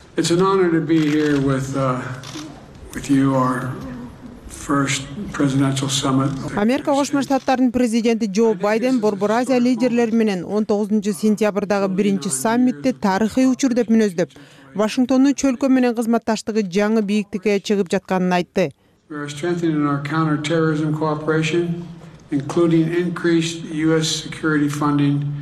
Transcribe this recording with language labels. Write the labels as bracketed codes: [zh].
[en] It's an honor to be here with you are first presidential summit. [ky] Америка Кошмо Штаттарынын президенти Джо Байден Борбор Азия лидерлери менен 19 сентябрдагы биринчи саммитте тарыхый учур деп мүнөздөп, Вашингтондун чөлкө менен кызматташтыгы жаңы бийиктикке чыгып жатканын айтты. [en] We are strengthening our counter-terrorism cooperation, including increased US security funding.